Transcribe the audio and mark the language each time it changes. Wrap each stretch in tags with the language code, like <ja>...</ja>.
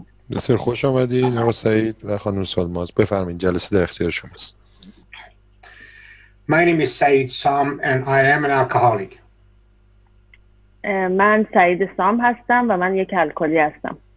<fa>بسیار خوش آمدید آقا سعید و خانم سلماز، بفرمایید جلسه در اختیار شماست.</fa> <en>My name is Saeed Sam and I am an alcoholic.</en> <fa>من سعید سام هستم و من یک الکلی هستم.</fa>